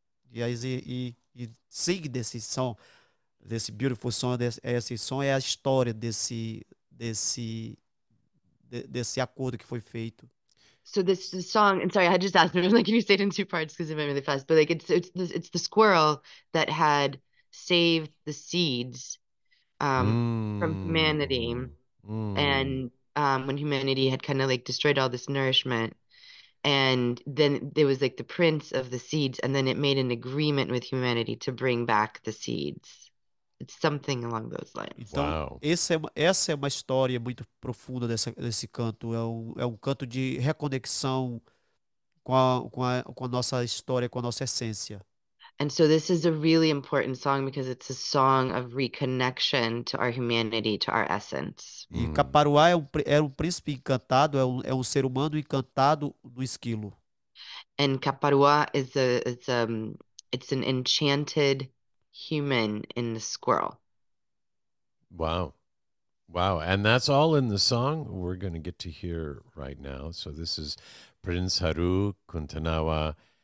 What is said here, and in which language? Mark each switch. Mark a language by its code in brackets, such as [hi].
[pt] Yeah, e sing desse som, desse [en] beautiful song, [pt] esse som é a história desse acordo que foi feito. [en] So this song, and sorry, I just asked, I'm like, can you say it in two parts, because it went really fast, but like it's the squirrel that had saved the seeds from humanity. And when humanity had kind of like destroyed all this nourishment, And then there was like the prince of the seeds, and then it made an agreement with humanity to bring back the seeds. It's something along those lines. [pt] Então, essa é uma história muito profunda desse canto. É um canto de reconexão com a nossa história, com a nossa essência. [en] And so this is a really important song because it's a song of reconnection to our humanity, to our essence. [pt] E Caparuá era um príncipe encantado, é um ser humano encantado do esquilo. [en] And Caparua is it's an enchanted human in the squirrel. Wow. And that's all in the song we're going to get to hear right now. So this is Prince Haru Kuntanawa.